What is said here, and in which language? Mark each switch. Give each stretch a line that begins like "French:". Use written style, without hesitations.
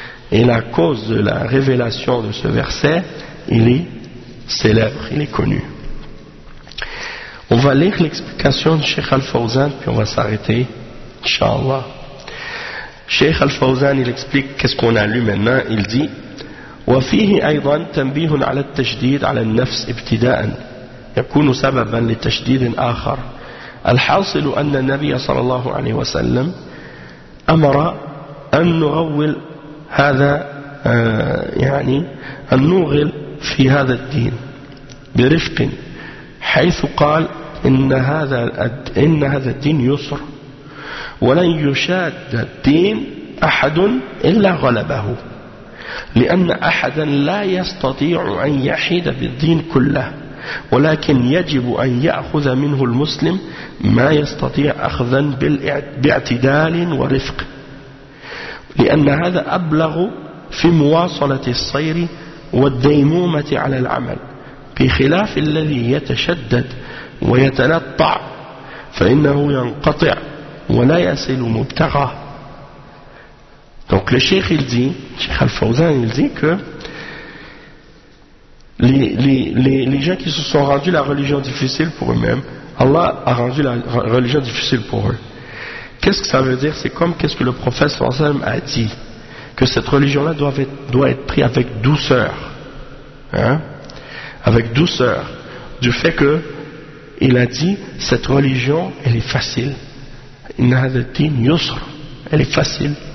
French: Et la cause de la révélation de ce verset, il est célèbre, il est connu. On va lire l'explication de Cheikh Al-Fawzan, puis on va s'arrêter, inshallah. Cheikh Al-Fawzan, il explique qu'est-ce qu'on a lu maintenant. Il dit,
Arabic: وفيه أيضا تنبيه على التشديد على النفس ابتداء يكون سببا لتشديد آخر. الحاصل أن النبي صلى الله عليه وسلم أمر أن نغول هذا يعني أن نغل في هذا الدين برفق، حيث قال إن هذا الدين يسر، ولن يشاد الدين أحد إلا غلبه، لأن أحدا لا يستطيع أن يحيد بالدين كله، ولكن يجب أن يأخذ منه المسلم ما يستطيع أخذا باعتدال ورفق، لأن هذا أبلغ في مواصلة الصير والديمومة على العمل، بخلاف الذي يتشدد ويتنطع فإنه ينقطع ولا يصل مبتغاه.
French: Donc le cheikh il dit, Cheikh Al-Fawzan il dit que les gens qui se sont rendus la religion difficile pour eux-mêmes, Allah a rendu la religion difficile pour eux. Qu'est-ce que ça veut dire? C'est comme qu'est-ce que le prophète sallallahu alayhi wa sallam a dit, que cette religion-là doit être prise avec douceur, hein, avec douceur, du fait que il a dit cette religion elle est facile,
Arabic: inna hadhihi yusr,
French: elle est facile.